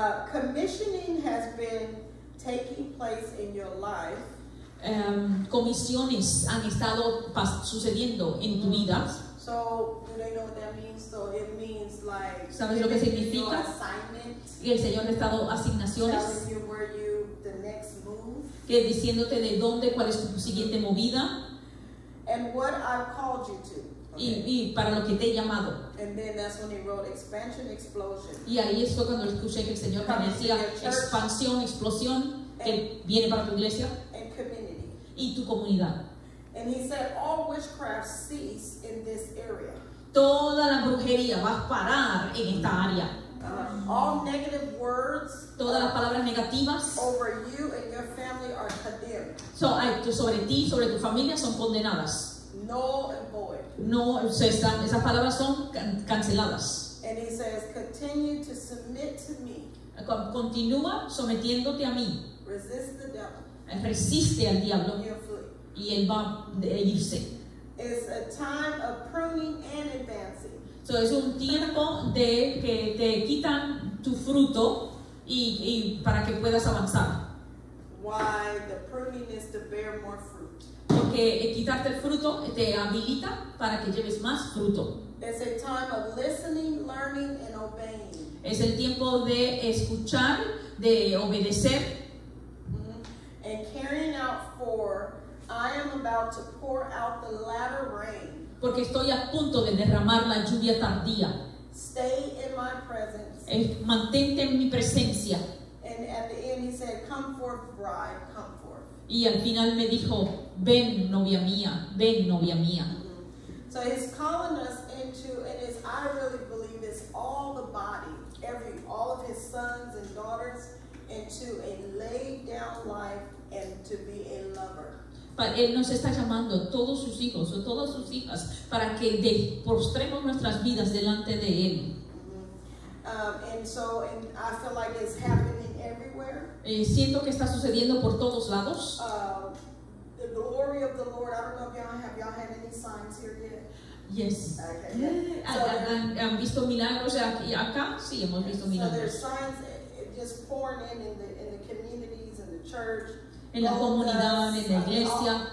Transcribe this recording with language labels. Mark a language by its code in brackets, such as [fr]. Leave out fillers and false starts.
[en] Commissioning has been taking place in your life. [es] Comisiones han estado sucediendo en tu vida. [en] So, do they know what that means? So, it means like, [es] ¿sabes lo que significa? [en] Assignment. [es] Y el Señor ha estado asignaciones. [en] Telling you where you, the next move. [es] Que diciéndote de dónde, cuál es tu siguiente movida. [en] And what I've called you to. Okay. [es] Y para lo que te he llamado. [en] And then that's when he wrote expansion, explosion. [es] Y ahí es cuando escuché que el Señor me decía expansión, explosión, que viene para tu iglesia. [en] And community. [es] Y tu comunidad. [en] And he said, all witchcraft cease in this area. [es] Toda la brujería va a parar en esta área. [en] All negative words. [es] Todas las palabras negativas. [en] Over you and your family are condemned. [es] So, sobre ti, sobre tu familia, son condenadas. [en] Null and void. [es] No, esas palabras son canceladas. [en] And he says, continue to submit to me. [es] Continúa sometiéndote a mí. [en] Resist the devil. [es] Resiste al diablo. Y él va a irse. [en] It's a time of pruning and advancing. [es] So es un tiempo de que te quitan tu fruto y para que puedas avanzar. [en] Why the pruning is to bear more fruit. [es] Porque quitarte el fruto te habilita para que lleves más fruto. [en] It's a time of listening, learning, and obeying. [es] Es el tiempo de escuchar, de obedecer. [en] And carrying out for I am about to pour out the latter rain. [es] Porque estoy a punto de derramar la lluvia tardía. [en] Stay in my presence. [es] Mantente en mi presencia. [en] And at the end he said, come forth, bride, come forth. [es] Y al final me dijo, ven, novia mía, ven, novia mía. [en] So he's calling us into, and as I really believe it's all the body, all of his sons and daughters, into a laid down life and to be a lover. [es] Él nos está llamando todos sus hijos o todas sus hijas para que postremos nuestras vidas delante de Él. [en] And I feel like it's happening everywhere. [es] Siento que está sucediendo por todos lados. [en] The glory of the Lord. I don't know if y'all had any signs here yet. Yes. Okay. [es] ¿Han visto milagros acá? Sí, hemos visto milagros. [en] So there's signs just pouring in the communities and the church. [es] En la comunidad, en la iglesia.